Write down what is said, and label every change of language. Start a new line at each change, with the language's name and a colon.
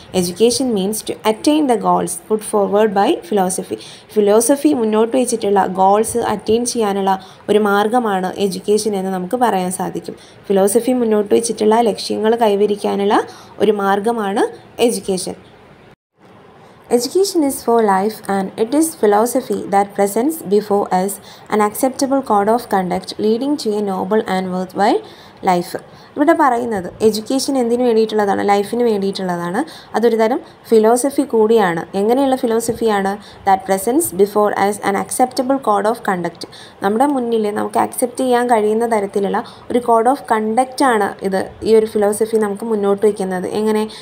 English: Education means to attain the goals put forward by philosophy.
Malayalam: Philosophy മുന്നോട്ട് വെച്ചിട്ടുള്ള goals attain ചെയ്യാനുള്ള ഒരു മാർഗമാണ് എഡ്യൂക്കേഷൻ എന്ന് നമുക്ക് പറയാൻ സാധിക്കും. ഫിലോസഫി മുന്നോട്ട് വെച്ചിട്ടുള്ള ലക്ഷ്യങ്ങൾ കൈവരിക്കാനുള്ള ഒരു മാർഗമാണ് education.
English: Education is for life, and it is philosophy that presents before us an acceptable code of conduct leading to a noble and worthwhile life.
Malayalam: ഇവിടെ പറയുന്നത് എഡ്യൂക്കേഷൻ എന്തിനു വേണ്ടിയിട്ടുള്ളതാണ്, ലൈഫിന് വേണ്ടിയിട്ടുള്ളതാണ്. അതൊരു തരം ഫിലോസഫി കൂടിയാണ്. എങ്ങനെയുള്ള ഫിലോസഫിയാണ്?
English: That presents before us an acceptable code of conduct.
Malayalam: നമ്മുടെ മുന്നിൽ നമുക്ക് അക്സെപ്റ്റ് ചെയ്യാൻ കഴിയുന്ന തരത്തിലുള്ള ഒരു കോഡ് ഓഫ് കണ്ടക്റ്റാണ് ഇത്, ഈ ഒരു ഫിലോസഫി നമുക്ക് മുന്നോട്ട് വയ്ക്കുന്നത്. എങ്ങനെ?